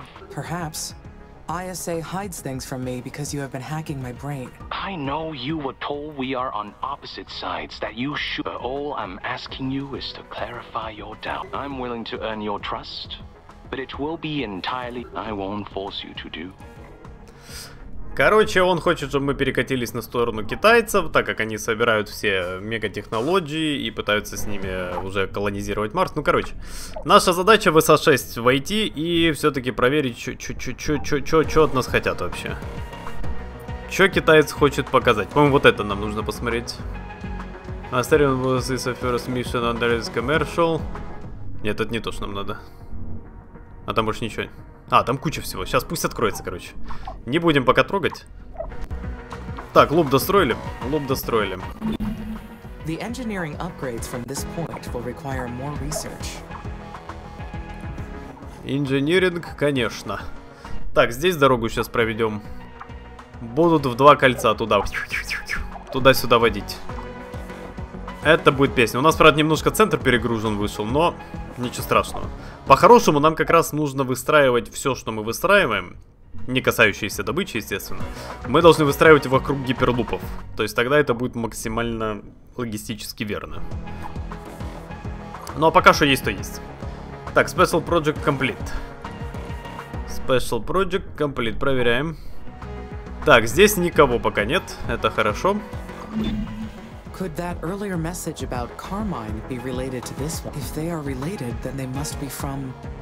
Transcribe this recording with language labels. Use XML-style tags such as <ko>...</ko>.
<en>perhaps ISA hides things from me because you have been hacking my brain. I know you were told we are on opposite sides, that you should. But all I'm asking you is to clarify your doubt. I'm willing to earn your trust, but it will be entirely. I won't force you to do.</en> <ru>Короче, он хочет, чтобы мы перекатились на сторону китайцев, так как они собирают все мегатехнологии и пытаются с ними уже колонизировать Марс. Ну, короче, наша задача в СА-6 войти и все-таки проверить, что от нас хотят вообще. Что китаец хочет показать? По-моему, вот это нам нужно посмотреть.</ru> <en>Asterion was his first mission under his commercial.</en> <ru>Нет, это не то, что нам надо. А там больше ничего. А, там куча всего. Сейчас пусть откроется, короче. Не будем пока трогать. Так, луп достроили. Луп достроили.</ru> <en>The engineering upgrades from this point will require more research.</en> <ru>Инжиниринг, конечно. Так, здесь дорогу сейчас проведем. Будут в два кольца туда. Туда-сюда водить. Это будет песня. У нас, правда, немножко центр перегружен вышел, но ничего страшного. По-хорошему, нам как раз нужно выстраивать все, что мы выстраиваем, не касающиеся добычи, естественно. Мы должны выстраивать вокруг гиперлупов. То есть тогда это будет максимально логистически верно. Ну а пока что есть, то есть. Так,</ru> <en>Special Project Complete. Special Project Complete,</en> <ru>проверяем. Так, здесь никого пока нет, это хорошо.</ru> <en>Could that earlier message about Carmine be related to this one? If they are related, then they must be from</en>